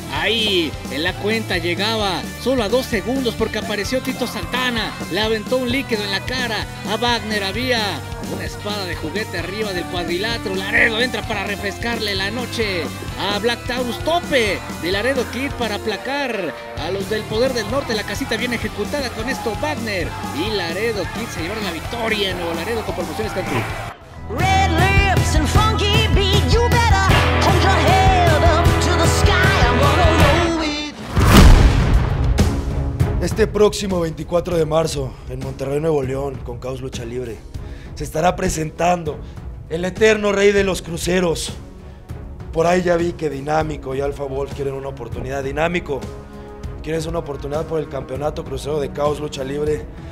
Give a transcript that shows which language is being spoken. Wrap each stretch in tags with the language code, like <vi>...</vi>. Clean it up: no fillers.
<es>Ahí en la cuenta llegaba solo a 2 segundos porque apareció Tito Santana, le aventó un líquido en la cara a Wagner, había una espada de juguete arriba del cuadrilátero. Laredo entra para refrescarle la noche a Black Taurus. Tope de Laredo Kid para aplacar a los del poder del norte. La casita bien ejecutada con esto Wagner, y Laredo Kid se llevaron la victoria en Nuevo Laredo con Promociones Cantú.</es> <en>Red lips and funky beat, you better hold your head up to the sky, I'm gonna roll with.</en> <es>Este próximo 24 de marzo en Monterrey, Nuevo León, con Caos Lucha Libre, se estará presentando el eterno rey de los cruceros. Por ahí ya vi que Dinámico y Alpha Wolf quieren una oportunidad. Dinámico, ¿quieres una oportunidad por el campeonato crucero de Caos Lucha Libre?</es>